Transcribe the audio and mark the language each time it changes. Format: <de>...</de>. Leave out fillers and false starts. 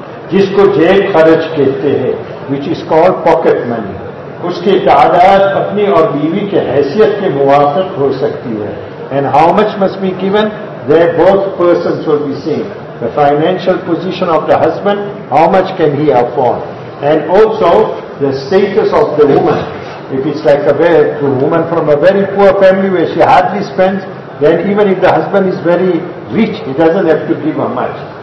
<ur>Jisko jeb kharch kehte hai,</ur> <en>which is called pocket money.</en> <ur>اس کے تعداد اپنی اور بیوی کے حیثیت کے موافق ہو سکتی ہے.</ur> <en>And how much must be given? They both persons will be same. The financial position of the husband, how much can he afford? And also the status of the woman. If it's like a woman from a very poor family where she hardly spends, then even if the husband is very rich, he doesn't have to give her much.</en>